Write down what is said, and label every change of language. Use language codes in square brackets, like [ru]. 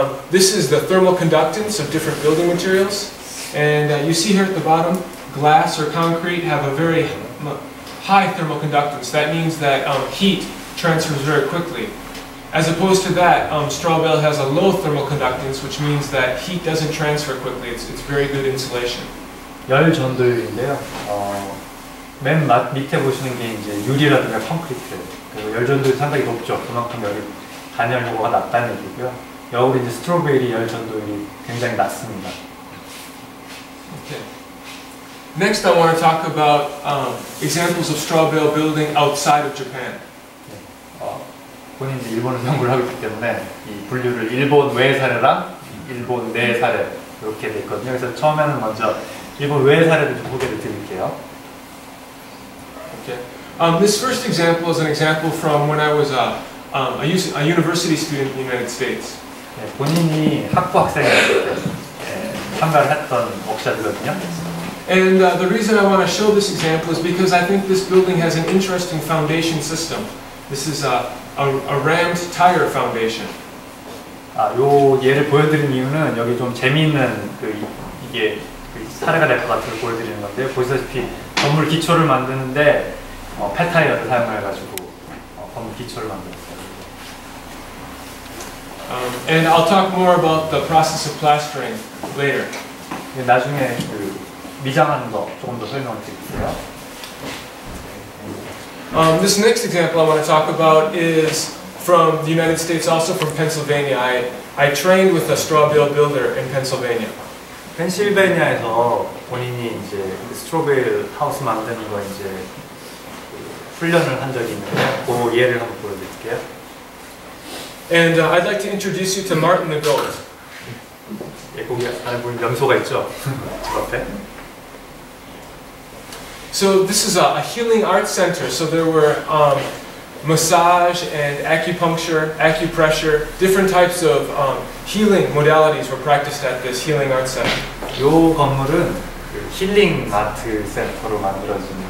[en] This is the thermal conductance of different building materials, and you see here at the bottom, glass or concrete have a very high thermal conductance. That means that heat transfers very quickly. As opposed to that, straw bale has a low thermal conductance, which means that heat doesn't transfer quickly. It's very good insulation. [ko] 열 전도율인데요. 맨 밑에 보시는 게 이제 유리라든가 콘크리트. 그리고 열 전도율이 상당히 높죠. 그만큼 열이 단열 효과가 낮다는 얘기고요. 역으로 이제 스트로베일이 열 전도율이 굉장히 낮습니다. [en] Okay. Next, I want to talk about examples of straw bale building outside of Japan. [ko] 본인 이제 일본을 연구를 하고 있기 때문에 이 분류를 일본 외 사례랑 일본 내 사례 이렇게 돼 있거든요. 그래서 처음에는 먼저 일본 외 사례를 좀 소개를 드릴게요. [en] Okay. This first example is an example from when I was a university student in the United States. [ko] 네, 본인이 학부 학생일 때 참가를 했던 업체들거든요. [en] And the reason I want to show this example is because I think this building has an interesting foundation system. This is a rammed tire foundation. [ko] 아, 요 예를 보여드린 이유는 여기 좀 재미있는 그 이게 사례가 될 것 같아서 보여드리는 건데요. 보시다시피 건물 기초를 만드는데 폐타이어를 사용해가지고 건물 기초를 만들었어요. [en] And I'll talk more about the process of plastering later. [ko] 나중에 그 미장하는 거 조금 더 설명을 드릴게요. [en] This next example I want to talk about is from the United States, also from Pennsylvania. I trained with a straw bale builder in Pennsylvania. [ko] 펜실베니아에서 본인이 이제 스트로베일 하우스 만드는 거 이제 훈련을 한 적이 있는데 그 예를 한번 보여드릴게요. [en] And I'd like to introduce you to Martin the Goat. [ko] 예, 거기 안에 보면 염소가 있죠? 저 앞에. [en] So this is a healing arts center. So there were massage and acupuncture, acupressure, different types of healing modalities were practiced at this healing arts center. [ko] 이 건물은 그 힐링 아트 센터로 만들어진